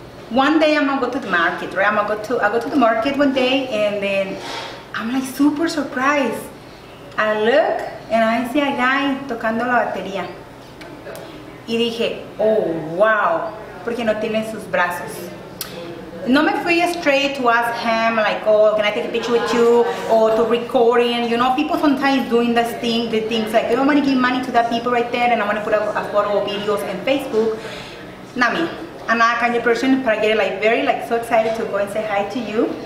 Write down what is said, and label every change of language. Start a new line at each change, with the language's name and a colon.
English: One day I'm gonna go to the market, right? I'll go to the market one day, and then I'm like super surprised. I look and I see a guy
Spanish: tocando la batería. Y dije, oh, wow, porque no tiene sus brazos. No me fui
English: straight to ask him, like, oh, can I take a picture with you? Or to recording, you know, people sometimes doing this thing, the things like, I'm gonna give money to that people right there, and I'm gonna put a photo or videos in Facebook. Not me. I'm not a kind of person, but I get like very, like, so excited to go and say hi to you.